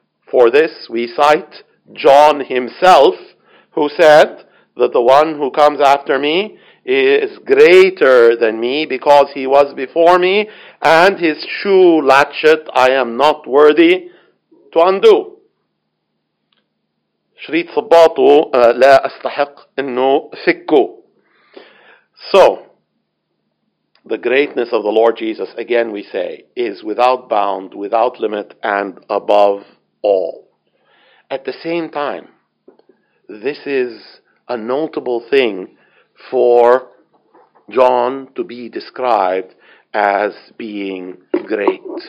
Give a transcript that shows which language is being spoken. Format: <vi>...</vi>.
<en>For this, we cite John himself, who said that the one who comes after me is greater than me because he was before me, and his shoe latchet I am not worthy to undo.</en> <ar>شريط صباطه لا أستحق إنه فكه.</ar> <en>So, the greatness of the Lord Jesus, again we say, is without bound, without limit, and above all. At the same time, this is a notable thing for John to be described as being great.</en>